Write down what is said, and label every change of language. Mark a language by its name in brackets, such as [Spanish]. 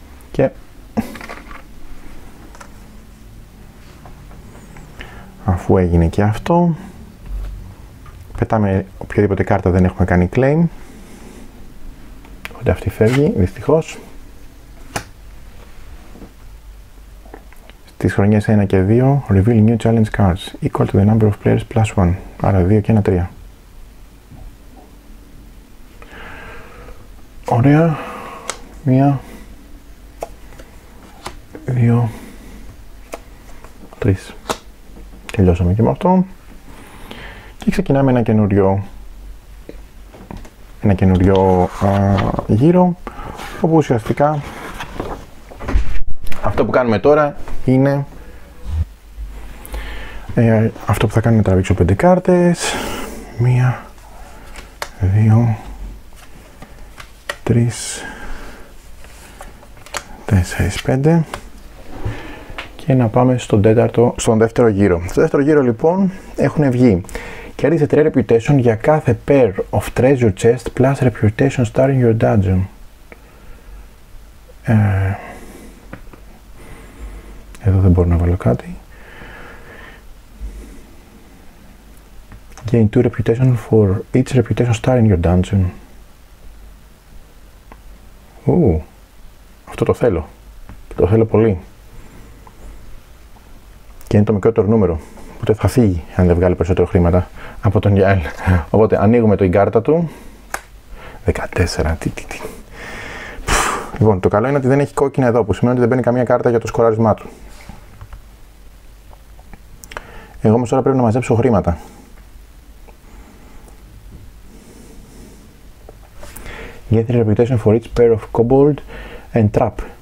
[Greek] Και αφού έγινε και αυτό, πετάμε οποιαδήποτε κάρτα δεν έχουμε κάνει claim. Οπότε αυτή φεύγει, δυστυχώς. Στις χρονιές 1 και 2, [English] reveal new challenge cards equal to the number of players plus 1. [Greek] Άρα 2 και 1, 3. Ωραία. 1, 2, 3. Τελειώσαμε και με αυτό. Και ξεκινάμε ένα καινούριο γύρο, όπου ουσιαστικά αυτό που κάνουμε τώρα είναι αυτό που θα κάνουμε, να τραβήξω 5 κάρτες. 1, 2, 3, 4, 5 και να πάμε στον δεύτερο γύρο. Στο δεύτερο γύρο λοιπόν έχουν βγει: κέρδισε 3 reputation για κάθε [English] pair of treasure chest plus reputation starting your dungeon. [Greek] Εδώ δεν μπορώ να βάλω κάτι. [English] Gain 2 reputation for each reputation star in your dungeon. [Greek] Αυτό το θέλω. Το θέλω πολύ. Και είναι το μικρότερο νούμερο. Οπότε θα φύγει αν δεν βγάλει περισσότερο χρήματα από τον Γιάλ. Οπότε ανοίγουμε την κάρτα του. 14. Τι. Λοιπόν, το καλό είναι ότι δεν έχει κόκκινα εδώ, που σημαίνει ότι δεν παίρνει καμία κάρτα για το σκοράρισμά του. Εγώ όμως τώρα πρέπει να μαζέψω χρήματα. [English] Get the reputation for each pair of kobold and trap.